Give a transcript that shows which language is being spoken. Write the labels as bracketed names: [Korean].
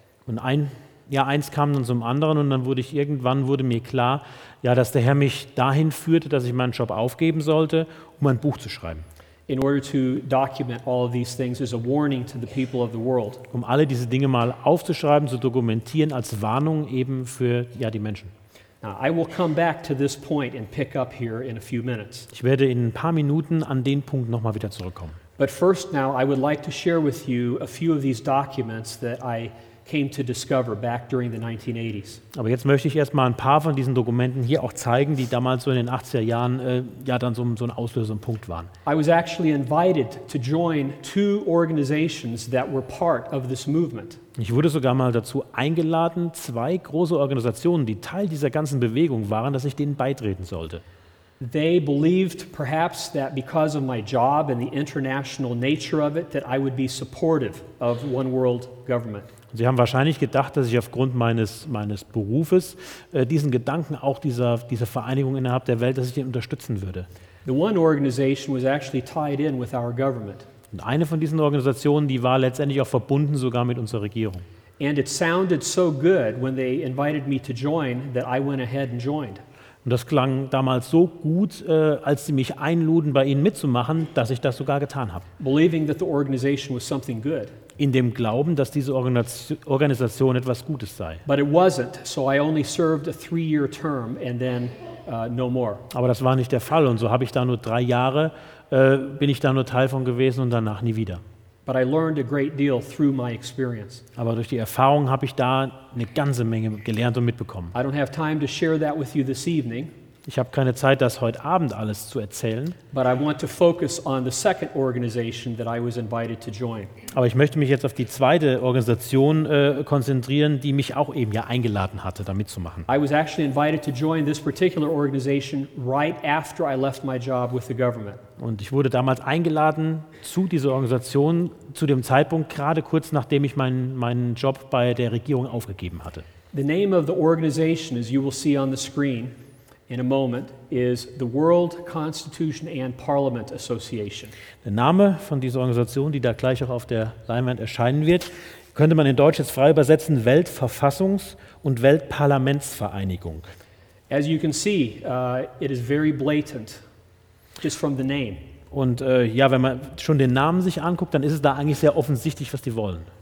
[German] Und eins kam dann zum anderen und dann wurde mir klar, dass der Herr mich dahin führte, dass ich meinen Job aufgeben sollte, um ein Buch zu schreiben. [English] In order to document all of these things is a warning to the people of the world. [German] Um alle diese Dinge mal aufzuschreiben, zu dokumentieren als Warnung eben für die Menschen. [English] Now, I will come back to this point and pick up here in a few minutes. [German] Ich werde in ein paar Minuten an den Punkt noch mal wieder zurückkommen. [English] But first now I would like to share with you a few of these documents that I came to discover back during the 1980s. [German] Aber jetzt möchte ich erstmal ein paar von diesen Dokumenten hier auch zeigen, die damals so in den 80er Jahren dann so ein Auslösepunkt waren. [English] I was actually invited to join two organizations that were part of this movement. [German] Ich wurde sogar mal dazu eingeladen, zwei große Organisationen, die Teil dieser ganzen Bewegung waren, dass ich denen beitreten sollte. [English] They believed perhaps that because of my job and the international nature of it, that I would be supportive of one world government. [German] Sie haben wahrscheinlich gedacht, dass ich aufgrund meines Berufes diesen Gedanken, auch dieser Vereinigung innerhalb der Welt, dass ich die unterstützen würde. [English] The one organization was actually tied in with our government. [German] Und eine von diesen Organisationen, die war letztendlich auch verbunden sogar mit unserer Regierung. [English] And it sounded so good when they invited me to join that I went ahead and joined. [German] Und das klang damals so gut, als sie mich einluden, bei ihnen mitzumachen, dass ich das sogar getan habe. [English] Believing that the organization was something good. [German] In dem Glauben, dass diese Organisation etwas Gutes sei. [English] But it wasn't, so I only served a 3-year term and then no more. [German] Aber das war nicht der Fall und so habe ich da nur 3 Jahre, bin ich da nur Teil von gewesen und danach nie wieder. [English] But I learned a great deal through my experience. [German] Aber durch die Erfahrung habe ich da eine ganze Menge gelernt und mitbekommen. [English] I don't have time to share that with you this evening. [German] Ich habe keine Zeit, das heute Abend alles zu erzählen. [English] But I want to focus on the second organization that I was invited to join. [German] Aber ich möchte mich jetzt auf die zweite Organisation konzentrieren, die mich auch eben ja eingeladen hatte, damit zu machen. [English] I was actually invited to join this particular organization right after I left my job with the government. [German] Und ich wurde damals eingeladen zu dieser Organisation zu dem Zeitpunkt gerade kurz nachdem ich meinen Job bei der Regierung aufgegeben hatte. [English] The name of the organization, as you will see on the screen, in a moment, is the World Constitution and Parliament Association. [German] Der Name von dieser Organisation, die da gleich auch auf der Leinwand erscheinen wird, könnte man in Deutsch jetzt frei übersetzen, Weltverfassungs- und Weltparlamentsvereinigung. [English] As you can see, it is very blatant, just from the name. [German] Und ja, wenn man schon den Namen sich anguckt, dann ist es da eigentlich sehr offensichtlich, was die wollen.